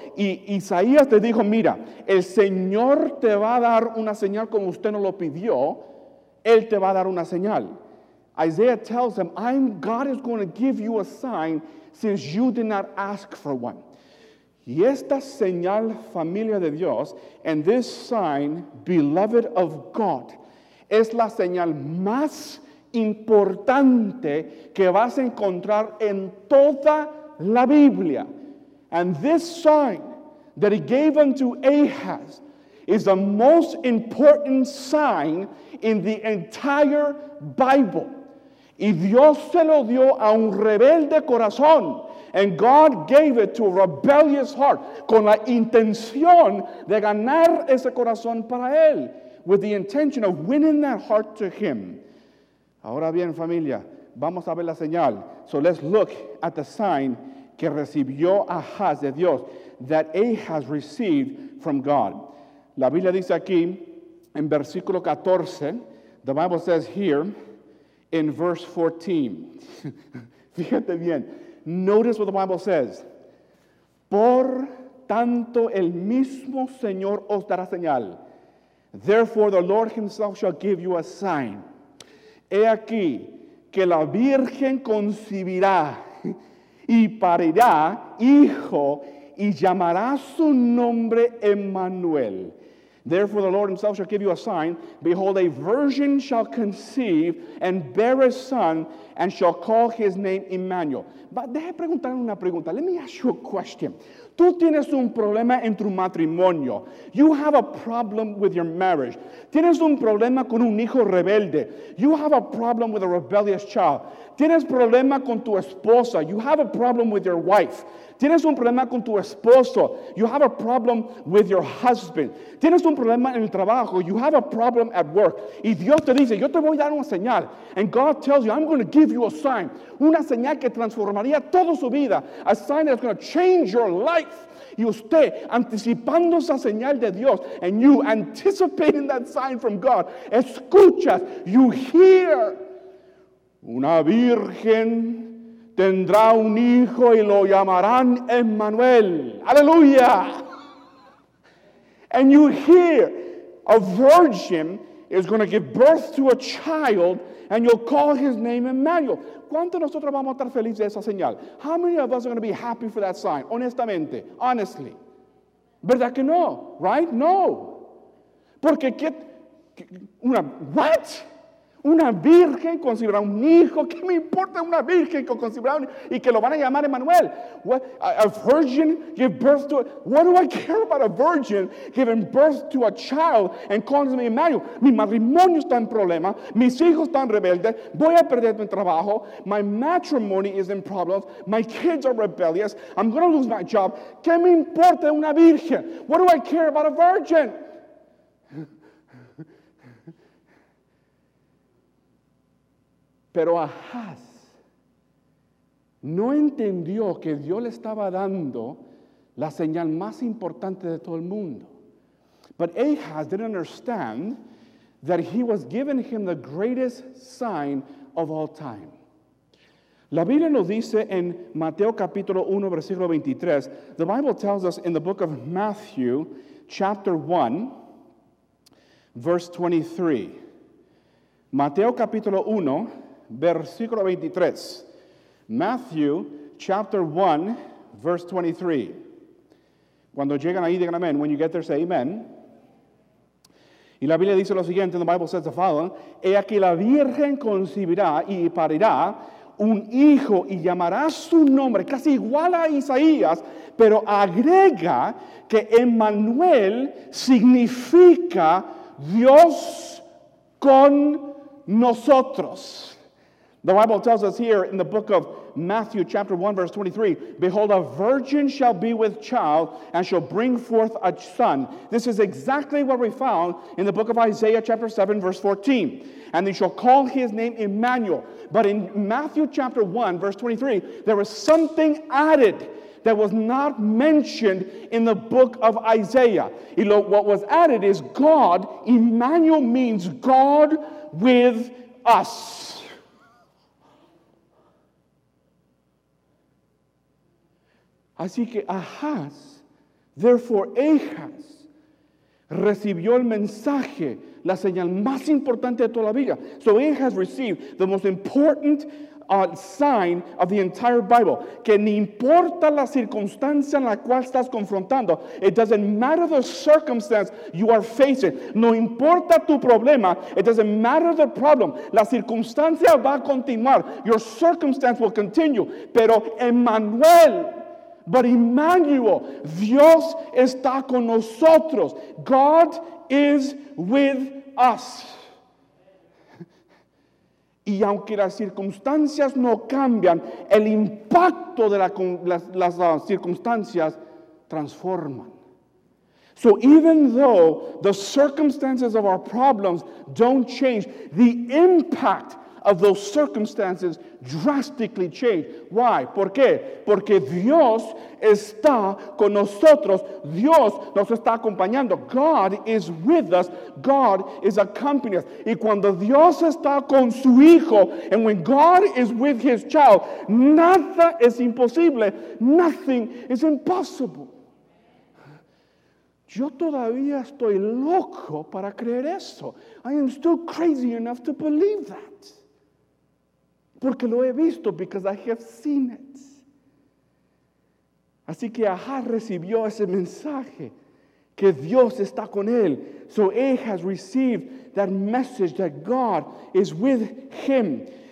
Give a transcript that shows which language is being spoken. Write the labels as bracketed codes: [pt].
[es] Y Isaías te dijo, mira, el Señor te va a dar una señal como usted no lo pidió. Él te va a dar una señal. [en] Isaiah tells him, God is going to give you a sign since you did not ask for one. [es] Y esta señal, familia de Dios, [en] and this sign, beloved of God, [es] es la señal más importante que vas a encontrar en toda la Biblia. [en] And this sign that he gave unto Ahaz is the most important sign in the entire Bible. [es] Y Dios se lo dio a un rebelde corazón. [en] And God gave it to a rebellious heart [es] con la intención de ganar ese corazón para él, [en] with the intention of winning that heart to him. [es] Ahora bien, familia, vamos a ver la señal. [en] So let's look at the sign [es] que recibió Ahaz de Dios, [en] that Ahaz received from God. [es] La Biblia dice aquí, en versículo 14, [en] the Bible says here, in verse 14. [es] Fíjate bien. [en] Notice what the Bible says. [es] Por tanto, el mismo Señor os dará señal. [en] Therefore, the Lord himself shall give you a sign. [es] He aquí que la Virgen concebirá y parirá hijo y llamará su nombre Emmanuel. [en] Therefore, the Lord himself shall give you a sign. Behold, a virgin shall conceive and bear a son and shall call his name Emmanuel. [es] But deje preguntar una pregunta. [en] Let me ask you a question. [es] Tú tienes un problema en tu matrimonio. [en] You have a problem with your marriage. [es] Tienes un problema con un hijo rebelde. [en] You have a problem with a rebellious child. [es] Tienes problema con tu esposa. [en] You have a problem with your wife. [es] Tienes un problema con tu esposo. [en] You have a problem with your husband. [es] Tienes un problema en el trabajo. [en] You have a problem at work. [es] Y Dios te dice, yo te voy a dar una señal. [en] And God tells you, I'm going to give you a sign. [es] Una señal que transformaría toda su vida. [en] A sign that's going to change your life. [es] Y usted, anticipando esa señal de Dios, [en] and you anticipating that sign from God, [es] escuchas, [en] you hear, [es] una virgen tendrá un hijo y lo llamarán Emmanuel. Aleluya. [en] And you hear, a virgin is going to give birth to a child and you'll call his name Emmanuel. [es] ¿Cuántos de nosotros vamos a estar felices de esa señal? [en] How many of us are going to be happy for that sign? [es] Honestamente, [en] honestly. [es] ¿Verdad que no? [en] Right? No. [es] Porque, ¿qué? [en] ¿What? [es] Una virgen concibirá un hijo. ¿Qué me importa una virgen que concibirá un hijo y que lo van a llamar Emmanuel? [en] What, a virgin give birth to, what do I care about a virgin giving birth to a child and calling me Emmanuel? [es] Mi matrimonio está en problema. Mis hijos están rebeldes. Voy a perder mi trabajo. [en] My matrimony is in problems. My kids are rebellious. I'm going to lose my job. [es] ¿Qué me importa una virgen? [en] What do I care about a virgin? [es] Pero Ahaz no entendió que Dios le estaba dando la señal más importante de todo el mundo. [en] But Ahaz didn't understand that he was giving him the greatest sign of all time. [es] La Biblia nos dice en Mateo capítulo 1, versículo 23. [en] The Bible tells us in the book of Matthew, chapter 1, verse 23. [es] Mateo capítulo 1. Versículo 23, [en] Matthew chapter 1, verse 23. [es] Cuando llegan ahí, digan amén. [en] When you get there, say amen. [es] Y la Biblia dice lo siguiente, [en] the Bible says the following. [es] He aquí la Virgen concibirá y parirá un hijo y llamará su nombre, casi igual a Isaías, pero agrega que Emmanuel significa Dios con nosotros. [en] The Bible tells us here in the book of Matthew chapter 1 verse 23, behold, a virgin shall be with child and shall bring forth a son. This is exactly what we found in the book of Isaiah chapter 7 verse 14. And they shall call his name Emmanuel. But in Matthew chapter 1 verse 23, there was something added that was not mentioned in the book of Isaiah. What was added is God, Emmanuel means God with us. [es] Así que Ahaz, [en] therefore Ahaz, [es] recibió el mensaje, la señal más importante de toda la vida. [en] So Ahaz received the most important sign of the entire Bible. [es] Que ni importa la circunstancia en la cual estás confrontando, [en] it doesn't matter the circumstance you are facing. [es] No importa tu problema, [en] it doesn't matter the problem. [es] La circunstancia va a continuar. [en] Your circumstance will continue. [es] Pero Emmanuel, [en] but Emmanuel, [es] Dios está con nosotros. [en] God is with us. [es] Y aunque las circunstancias no cambian, el impacto de las circunstancias transforman. [en] So even though the circumstances of our problems don't change, the impact of those circumstances drastically change. Why? [es] ¿Por qué? Porque Dios está con nosotros. Dios nos está acompañando. [en] God is with us. God is accompanying us. [es] Y cuando Dios está con su hijo, [en] and when God is with his child, [es] nada es imposible. [en] Nothing is impossible. [es] Yo todavía estoy loco para creer eso. [en] I am still crazy enough to believe that. [es] Porque lo he visto, [en] because I have seen it. [es] Así que Ahaz recibió ese mensaje, que Dios está con él. [en] So Ahaz received that message that God is with him.